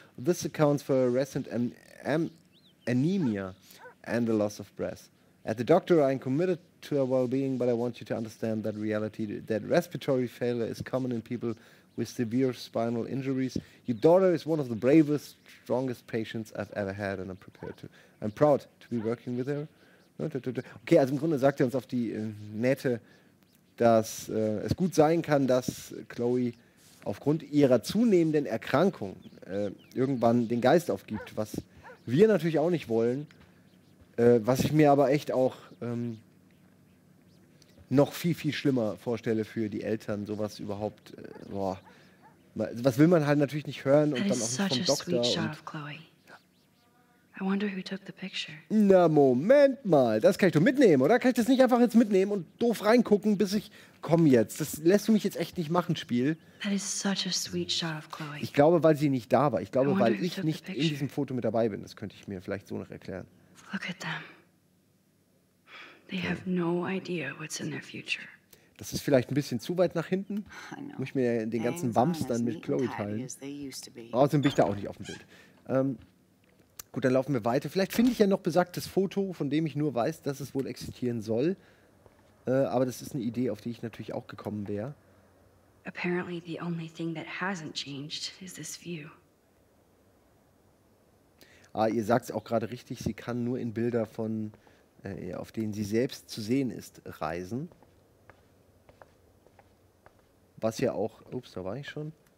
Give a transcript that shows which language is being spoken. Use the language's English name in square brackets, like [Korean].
[English] This accounts for a recent anemia and the loss of breath. At the doctor, I am committed to her well-being, but I want you to understand that reality, that respiratory failure is common in people with severe spinal injuries. Your daughter is one of the bravest, strongest patients I've ever had, and I'm proud to be working with her. [German] Okay, also im Grunde sagt er uns auf die Nähte, dass es gut sein kann, dass Chloe aufgrund ihrer zunehmenden Erkrankung irgendwann den Geist aufgibt, was wir natürlich auch nicht wollen, was ich mir aber echt auch noch viel, viel schlimmer vorstelle für die Eltern, sowas überhaupt, was will man halt natürlich nicht hören und dann auch nicht vom Doktor. [English] I wonder who took the picture. [German] Na, Moment mal. Das kann ich doch mitnehmen, oder? Kann ich das nicht einfach jetzt mitnehmen und doof reingucken, bis ich... Komm jetzt. Das lässt du mich jetzt echt nicht machen, Spiel. [English] That is such a sweet shot of Chloe. [German] Ich glaube, weil sie nicht da war. Ich glaube, weil ich nicht in diesem Foto mit dabei bin. Das könnte ich mir vielleicht so noch erklären. [English] Look at them. They have no idea what's in their future. [German] Das ist vielleicht ein bisschen zu weit nach hinten. Muss ich mir den ganzen Bums dann mit Chloe teilen. Außerdem bin ich da auch nicht auf dem Bild. Gut, dann laufen wir weiter. Vielleicht finde ich ja noch besagtes Foto, von dem ich nur weiß, dass es wohl existieren soll. Aber das ist eine Idee, auf die ich natürlich auch gekommen wäre. [English] Apparently the only thing that hasn't changed is this view. [German] Ah, ihr sagt es auch gerade richtig, sie kann nur in Bilder von, auf denen sie selbst zu sehen ist, reisen. Was ja auch, ups, da war ich schon.